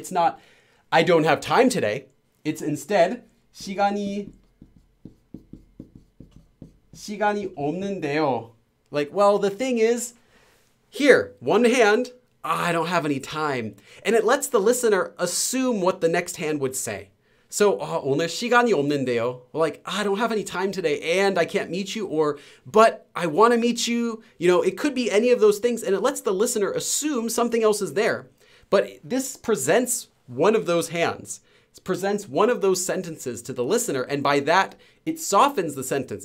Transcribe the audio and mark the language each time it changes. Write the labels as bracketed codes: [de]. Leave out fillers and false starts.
[en] It's not, I don't have time today. It's instead, [ko] 시간이 없는데요. [en] Like, well, the thing is, here, one hand, I don't have any time. And it lets the listener assume what the next hand would say. [ko] So, 오늘 시간이 없는데요. [en] Like, I don't have any time today and I can't meet you, or, but I want to meet you. You know, it could be any of those things, and it lets the listener assume something else is there. But this presents one of those hands. It presents one of those sentences to the listener, and by that, it softens the sentence.